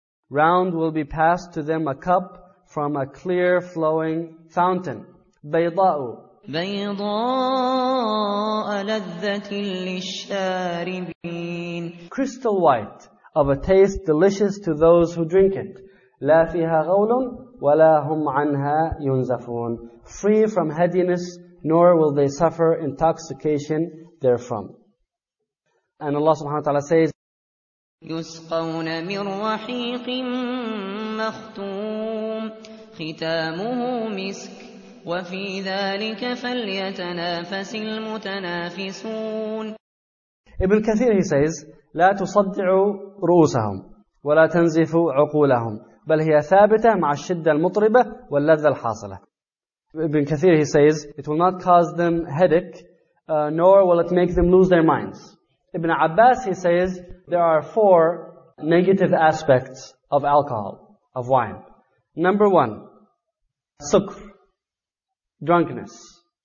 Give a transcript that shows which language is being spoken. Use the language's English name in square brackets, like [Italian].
[English] Round will be passed to them a cup from a clear flowing fountain. [Arabic] بيضاء. بيضاء لذة للشاربين. [English] Crystal white, of a taste delicious to those who drink it. [Arabic] لا فيها غول ولا هم عنها ينزفون. [English] Free from headiness, nor will they suffer intoxication therefrom. And Allah subhanahu wa ta'ala says, [Arabic] يسقون من رحيق مختوم ختامه مسك وفي ذلك فليتنافس المتنافسون. [English] Ibn Kathir, he says, [Arabic] لا تصدع رؤوسهم ولا تنزف عقولهم بل هي ثابتة مع الشدة المطربة واللذة الحاصلة. [English] Ibn Kathir, he says, it will not cause them headache, nor will it make them lose their minds. Ibn Abbas, he says, there are four negative aspects of alcohol, of wine. Number one, sukr, drunkenness.